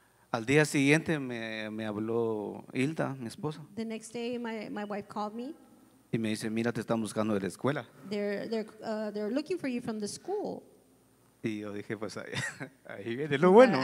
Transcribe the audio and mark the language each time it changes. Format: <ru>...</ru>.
<es>Al día siguiente me habló Hilda, mi esposa.</es> <en>The next day my wife called me.</en> <es>Y me dice, mira, te están buscando de la escuela.</es> <en>They're looking for you from the school.</en> <es>Y yo dije, pues ahí viene lo bueno.</es>